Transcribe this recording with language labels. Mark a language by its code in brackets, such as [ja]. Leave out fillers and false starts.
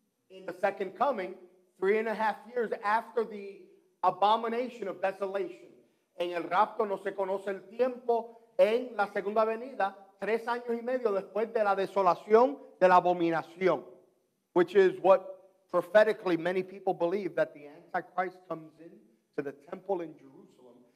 [en] In the second coming, 3.5 years after the abomination of desolation. [es] En el rapto no se conoce el tiempo. En la segunda venida, 3 años y medio después de la desolación, de la abominación. [en] Which is what prophetically many people believe, that the Antichrist comes in to the temple in Jerusalem,